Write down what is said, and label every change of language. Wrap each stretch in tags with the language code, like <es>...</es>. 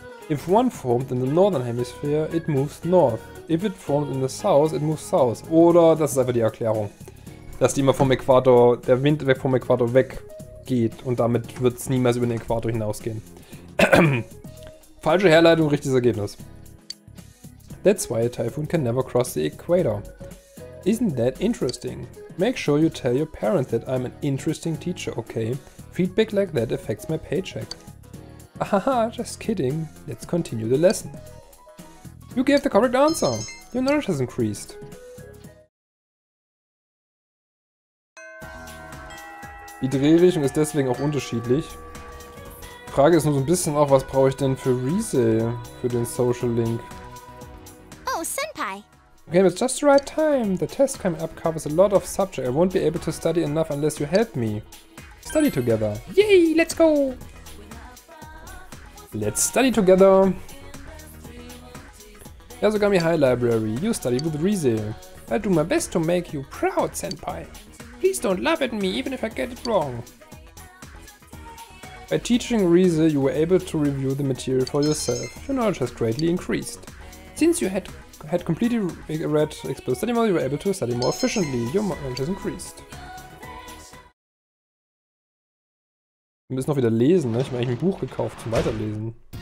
<en>If one formed in the northern hemisphere, it moves north. If it forms in the south, it moves south.</en> <de>Oder, das ist einfach die Erklärung. Dass die immer vom Äquator, der Wind weg vom Äquator weggeht und damit wird es niemals über den Äquator hinausgehen. Falsche Herleitung, richtiges Ergebnis.</de> <en>That's why a typhoon can never cross the equator. Isn't that interesting? Make sure you tell your parents that I'm an interesting teacher, okay? Feedback like that affects my paycheck. Ahaha, just kidding. Let's continue the lesson. You gave the correct answer. Your knowledge has increased.</en> <de>Die Drehrichtung ist deswegen auch unterschiedlich. Frage ist nur so ein bisschen auch, was brauche ich denn für Resale für den Social Link?</de> <en>Oh, Senpai. Okay, it's just the right time. The test coming up covers a lot of subject. I won't be able to study enough unless you help me. Study together. Yay, let's go. Let's study together.</en> <de>Ja, sogar mir</de> <en>High Library. You study with Rize. I do my best to make you proud, Senpai. Please don't laugh at me, even if I get it wrong. By teaching Rize, you were able to review the material for yourself. Your knowledge has greatly increased. Since you had completely read Explore Study Mode, you were able to study more efficiently. Your knowledge has increased.</en> <de>Wir müssen noch wieder lesen, ne? Ich habe eigentlich ein Buch gekauft zum Weiterlesen.</de>